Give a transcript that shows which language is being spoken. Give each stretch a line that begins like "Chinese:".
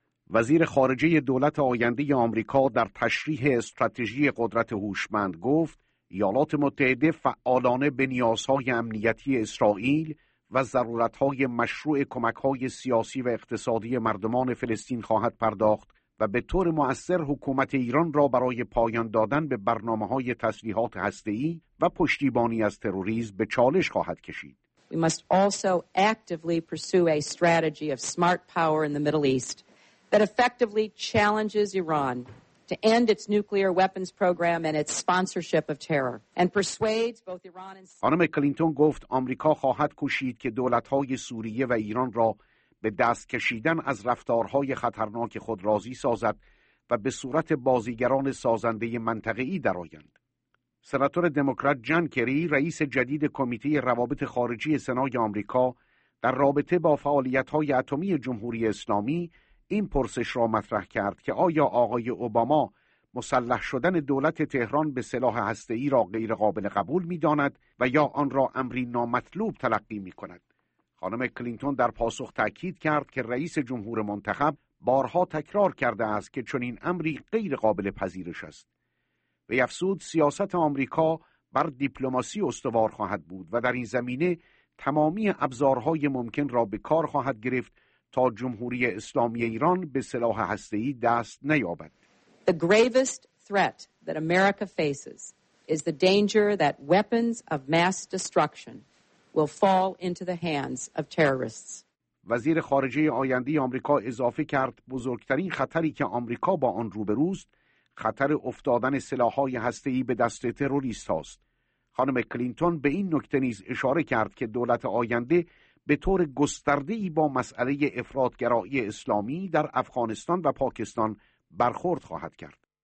Persian: وزیر خارجه دولت آینده آمریکا در تشریح استراتژی قدرت هوشمند گفت ایالات متحده فعالانه به نیازهای امنیتی اسرائیل و ضرورت‌های مشروع کمک‌های سیاسی و اقتصادی مردمان فلسطین خواهد پرداخت و به طور مؤثر حکومت ایران را برای پایان دادن به برنامه‌های تسلیحات هسته‌ای و پشتیبانی از تروریسم به چالش خواهد کشید.
English: We must also actively pursue a strategy of smart power in the Middle East that effectively challenges Iran to end its nuclear weapons program and its sponsorship of terror and persuades both Iran and
Persian: خانم کلینتون گفت آمریکا خواهد کوشید که دولت‌های سوریه و ایران را به دست کشیدن از رفتارهای خطرناک خود راضی سازد و به صورت بازیگران سازنده منطقه‌ای درآیند. سناتور دموکرات جان کری رئیس جدید کمیته روابط خارجی سنای آمریکا در رابطه با فعالیت‌های اتمی جمهوری اسلامی این پرسش را مطرح کرد که آیا آقای اوباما مسلح شدن دولت تهران به سلاح هسته‌ای را غیر قابل قبول می‌داند و یا آن را امری نامطلوب تلقی می‌کند. خانم کلینتون در پاسخ تأکید کرد که رئیس جمهور منتخب بارها تکرار کرده است که چنین امری غیر قابل پذیرش است. وی افزود سیاست آمریکا بر دیپلماسی استوار خواهد بود و در این زمینه تمامی ابزارهای ممکن را به کار خواهد گرفت تا جمهوری اسلامی ایران به سلاح هسته‌ای دست نیابد.
English: The gravest threat that America faces is the danger that weapons of mass destruction will fall into the hands of terrorists.
Persian: وزیر خارجه آینده آمریکا اضافه کرد بزرگترین خطری که آمریکا با آن روبروست خطر افتادن سلاح‌های هسته‌ای به دست تروریست‌هاست. خانم کلینتون به این نکته نیز اشاره کرد که دولت آینده به طور گسترده‌ای با مسئله افراط‌گرایی اسلامی در افغانستان و پاکستان برخورد خواهد کرد.